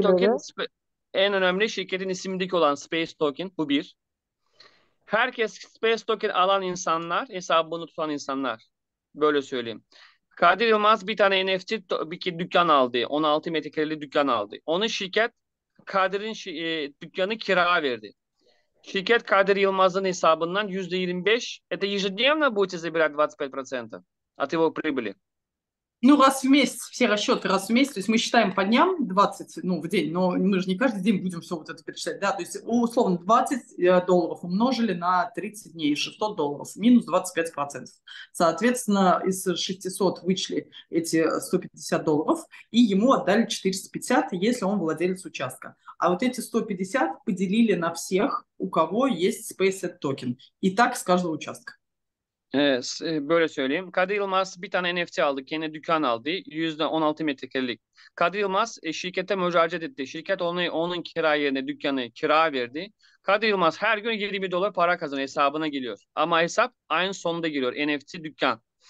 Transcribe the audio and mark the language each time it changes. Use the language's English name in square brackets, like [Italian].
[Turkish] token En önemli şirketin isimdeki olan Space Token bu bir. Herkes Space Token alan insanlar, hesabını tutan insanlar. Böyle söyleyeyim. Kadir Yılmaz bir tane NFT bir dükkan aldı. 16 metrekareli dükkan aldı. Onu şirket Kadir'in dükkanı kiraya verdi. Şirket Kadir Yılmaz'ın hesabından %25 [Russian] это ежедневно будете забирать 25% от его прибыли. Ну, раз в месяц, все расчеты раз в месяц, то есть мы считаем по дням 20, ну, в день, но мы же не каждый день будем все вот это перечислять, да, то есть условно 20 долларов умножили на 30 дней, 600 долларов, минус 25%. Соответственно, из 600 вычли эти 150 долларов, и ему отдали 450, если он владелец участка. А вот эти 150 поделили на всех, у кого есть Space Ad Token, и так с каждого участка. [Turkish] Böyle söyleyeyim. Kadir Yılmaz bir tane NFT aldı. Kendi dükkan aldı. %16 metrekarelik. Kadir Yılmaz şirkete müracaat etti. Şirket onun kira yerine dükkanı kira verdi. Kadir Yılmaz her gün 20 dolar para kazanıyor. Hesabına geliyor. Ama hesap aynı sonunda geliyor. NFT dükkan.